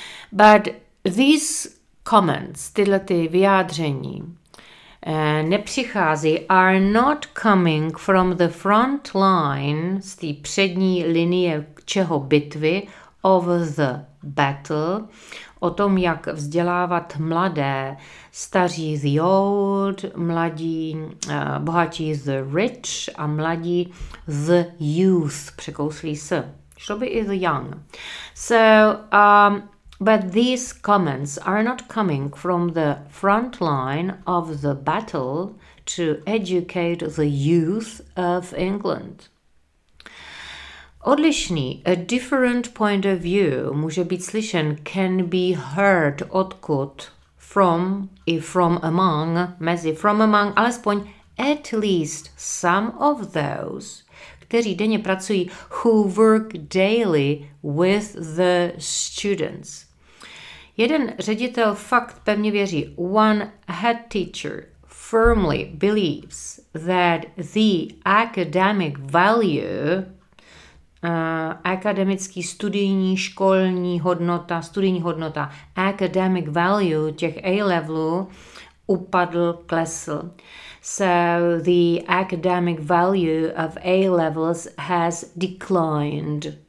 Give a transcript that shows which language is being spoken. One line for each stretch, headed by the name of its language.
English: But these comments,
Czech: tyhle ty vyjádření, nepřichází,
English: are not coming from the front line,
Czech: z té přední linie čeho bitvy,
English: of the battle,
Czech: o tom, jak vzdělávat mladé, staří
English: the old,
Czech: mladí, bohatí
English: the rich
Czech: a mladí
English: the youth,
Czech: překouslí se, šlo by i
English: the young. So, but these comments are not coming from the front line of the battle to educate the youth of England.
Czech: Odlišný,
English: a different point of view,
Czech: může být slyšen,
English: can be heard,
Czech: odkud,
English: from, if from, among,
Czech: mezi,
English: from, among,
Czech: alespoň
English: at least some of those,
Czech: kteří denně pracují,
English: who work daily with the students.
Czech: Jeden ředitel fakt pevně věří,
English: one head teacher firmly believes that the academic value,
Czech: akademický studijní školní hodnota, studijní hodnota,
English: academic value
Czech: těch A-levelů upadl, klesl.
English: So the academic value of A-levels has declined.